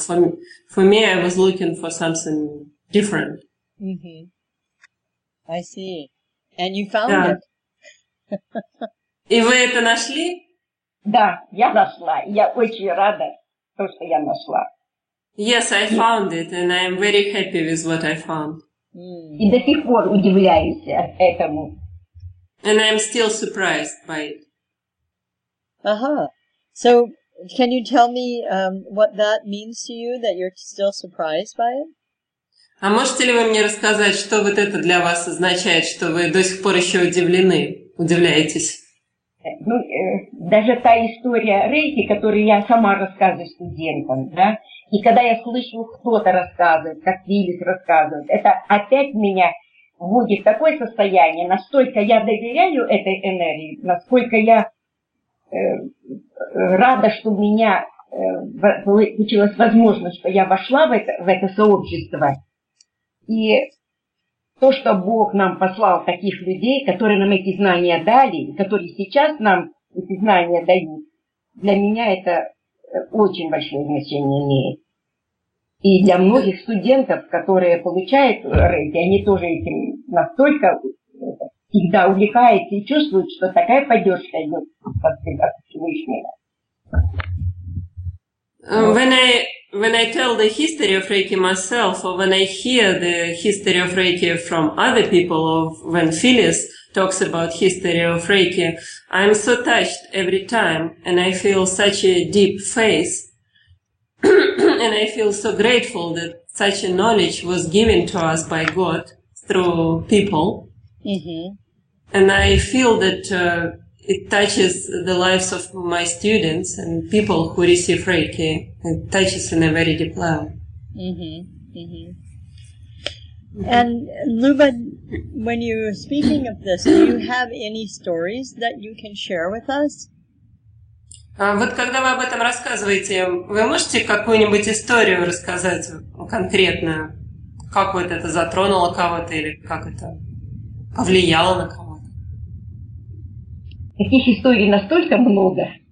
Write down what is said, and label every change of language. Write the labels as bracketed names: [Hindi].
[English] So for me, I was looking for something different. Mm-hmm. I see. And you found it. [Russian] И вы это нашли? Да, я нашла. Я очень рада, то, что я нашла. [English] Yes, I found it, and I am very happy with what I found. [Russian] И до сих пор удивляюсь этому. [English] And I'm still surprised by it. Uh-huh. So, can you tell me what that means to you, that you're still surprised by it? [Russian] А можете ли вы мне рассказать, что вот это для вас означает, что вы до сих пор еще удивлены, удивляетесь? Ну, даже та история Рейки, которую я сама рассказываю студентам, да, и когда я слышу, кто-то рассказывает, как Филипп рассказывает, это опять меня вводит в такое состояние, настолько я доверяю этой энергии, насколько я рада, что у меня получилась возможность, что я вошла в это сообщество. И то, что Бог нам послал таких людей, которые нам эти знания дали, которые сейчас нам эти знания дают, для меня это очень большое значение имеет. И для многих студентов, которые получают Рейки, они тоже этим настолько всегда увлекаются и чувствуют, что такая поддержка идет от Всевышнего. [English] When I tell the history of Reiki myself, or when I hear the history of Reiki from other people, or when Phyllis talks about history of Reiki, I'm so touched every time, and I feel such a deep faith. And I feel so grateful that such a knowledge was given to us by God through people. Mm-hmm. And I feel that it touches the lives of my students and people who receive Reiki. It touches in a very deep level. Mm-hmm. Mm-hmm. And Luba, when you're speaking of this, do you have any stories that you can share with us? [Russian] Вот когда вы об этом рассказываете, вы можете какую-нибудь историю рассказать конкретную? Как вот это затронуло кого-то или как это повлияло на кого-то? Таких историй настолько много.